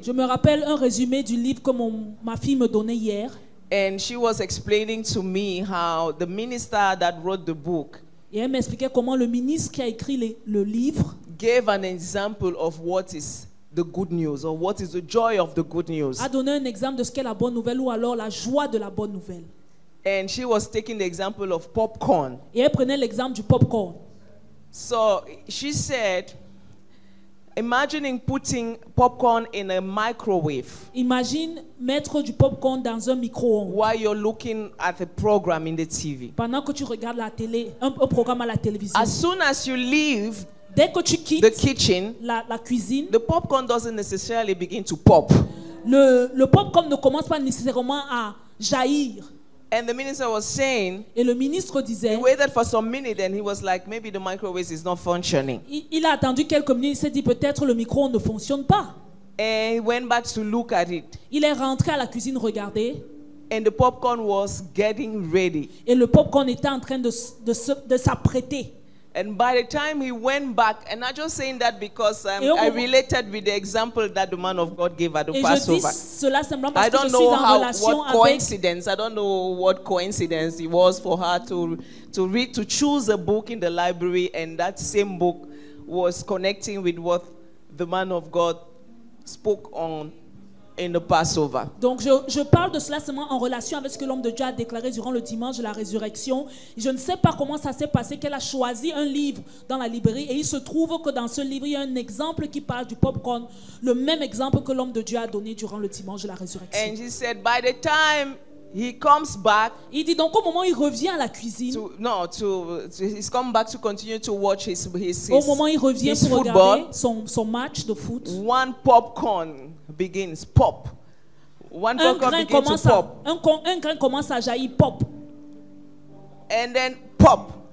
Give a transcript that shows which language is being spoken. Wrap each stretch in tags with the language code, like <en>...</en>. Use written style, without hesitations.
<fr>Je me rappelle un résumé du livre que ma fille me donnait hier.</fr> <en>And she was explaining to me how the minister that wrote the book,</en> <fr>Et elle m'expliquait comment le ministre qui a écrit le livre</fr> <en>gave an example of what is the good news or what is the joy of the good news.</en> <fr>A donné un exemple de ce qu'est la bonne nouvelle ou alors la joie de la bonne nouvelle.</fr> <en>And she was taking the example of popcorn.</en> <fr>Et elle prenait l'exemple du popcorn.</fr> <en>So she said, imagining putting popcorn in a microwave.</en> <fr>Imagine mettre du popcorn dans un micro-ondes.</fr> <en>While you're looking at a program in the TV.</en> <fr>Pendant que tu regardes la télé, un programme à la télévision.</fr> <en>As soon as you leave.</en> <fr>Dès que tu quittes</fr> <en>the kitchen,</en> <fr>la cuisine,</fr> <en>the popcorn doesn't necessarily begin to pop.</en> <fr>Le popcorn ne commence pas nécessairement à jaillir.</fr> <en>And the minister was saying,</en> <fr>et le ministre disait,</fr> <en>he waited for some minutes and he was like, maybe the microwave is not functioning.</en> <fr>Il a attendu quelques minutes, il s'est dit peut-être le micro ne fonctionne pas.</fr> <en>And he went back to look at it.</en> <fr>Il est rentré à la cuisine regarder.</fr> <en>And the popcorn was getting ready.</en> <fr>Et le popcorn était en train de s'apprêter.</fr> <en>And by the time he went back, and I'm just saying that because I related with the example that the man of God gave at the</en> <fr>et</fr> <en>Passover. Cela parce I don't que know suis how, what coincidence. I don't know what coincidence it was for her to read to choose a book in the library, and that same book was connecting with what the man of God spoke on in the Passover.</en> <fr>Donc je parle de cela seulement en relation avec ce que l'homme de Dieu a déclaré durant le dimanche de la résurrection. Je ne sais pas comment ça s'est passé qu'elle a choisi un livre dans la librairie et il se trouve que dans ce livre il y a un exemple qui parle du popcorn, le même exemple que l'homme de Dieu a donné durant le dimanche de la résurrection.</fr> <en>And he said by the time he comes back.</en> <fr>Il dit donc au moment où il revient à la cuisine.</fr> <en>He's come back to continue to watch his</en> <fr>au moment où il revient his pour</fr> <en>football,</en> <fr>regarder son match de foot.</fr> <en>One popcorn begins pop. One popcorn begins to pop.</en> <fr>Un grain commence à jaillir pop.</fr> <en>And then pop.</en>